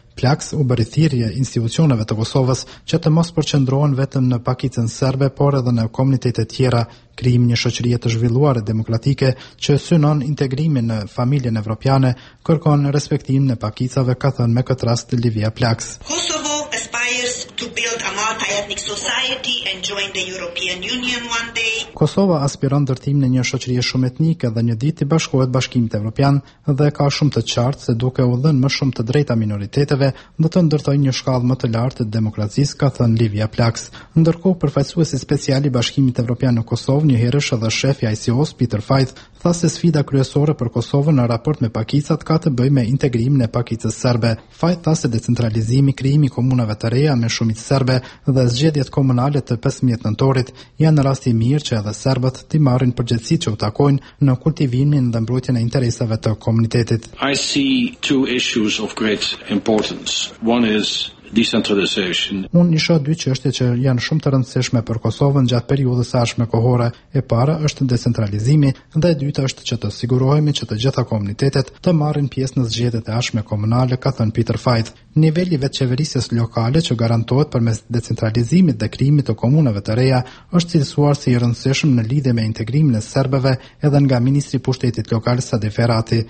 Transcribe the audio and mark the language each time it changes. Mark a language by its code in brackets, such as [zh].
[sq] Plax u bëri thirrje institucioneve të Kosovës që të mos përqendrohen vetëm në pakicën serbe, por edhe në komunitete tjera, krijimin një shoqërie të zhvilluar e demokratike që synon integrimin në familjen evropiane, kërkon respektimin e pakicave, ka thënë me këtë rast Livia Plax. [en] Kosovo aspires to build a multi-ethnic society and join the European Union one day. [sq] Kosova aspiron ndërtimin e një shoqërie shumë etnike dhe një ditë të bashkohet Bashkimit Evropian dhe ka shumë të qartë se duke u dhënë më shumë të drejta minoriteteve do të ndërtojë një shkallë më të lartë të demokracisë, ka thënë Livia Plax. Ndërkohë, përfaqësuesi special i Bashkimit Evropian në Kosovë, një herësh edhe shefi i ICO-s Peter Faith, tha se sfida kryesore për Kosovën në raport me pakicat ka të bëjë me integrimin e pakicës serbe. Faith tha se decentralizimi, krijimi komunave të reja me shumicë serbe dhe zgjedhjet komunale të 15 nëntorit janë rasti mirë që edhe serbët të marrin përgjegjësitë që u takojnë në kultivimin dhe mbrojtjen e interesave të komunitetit. [en] I see two issues of great importance. One is [sq] Unë një shoh dy çështje që janë shumë të rëndësishme për Kosovën gjatë periudhës së ardhshme kohore. E para është decentralizimi dhe e dyta është që të sigurohemi që të gjitha komunitetet të marrin pjesë në zgjedhjet e ardhshme komunale, ka thënë Peter Faith. Niveli veçqeverisjes lokale që garantohet përmes decentralizimit dhe krijimit të komunave të reja është cilësuar si i rëndësishëm në lidhje me integrimin e serbëve edhe nga ministri i pushtetit lokal Sadi Ferati.